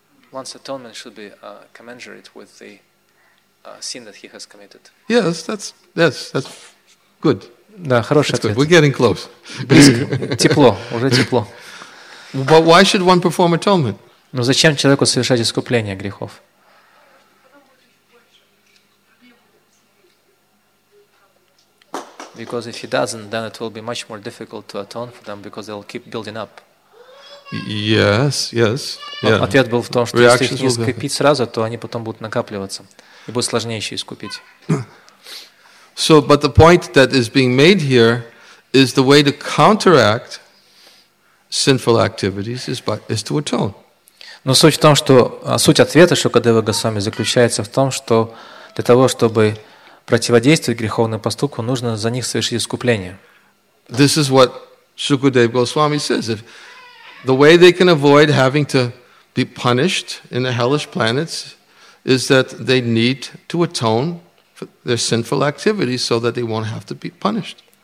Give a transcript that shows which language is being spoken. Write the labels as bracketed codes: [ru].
[en] Once atonement should be commensurate with the sin that he has committed. Yes, that's good. [ru] Да, хороший ответ. [en] We're getting close. [ru] Тепло, уже тепло. [en] But why should one perform atonement? [ru] Но зачем человеку совершать искупление грехов? [en] Because if he doesn't, then it will be much more difficult to atone for them because they'll keep building up. Yes, yes. Yeah. [ru] Ответ был в том, что если их не искупить сразу, то они потом будут накапливаться и будет сложнее еще искупить. [en] So, but the point that is being made here is the way to counteract sinful activities is to atone. [ru] Но суть в том, что суть ответа Шукадева Госвами заключается в том, что для того, чтобы противодействовать греховным поступкам, нужно за них совершить искупление. [en] This is what Shukadeva Goswami says. The way they can avoid having to be punished in the hellish planets is that they need to atone for their sinful activities so that they won't have to be punished.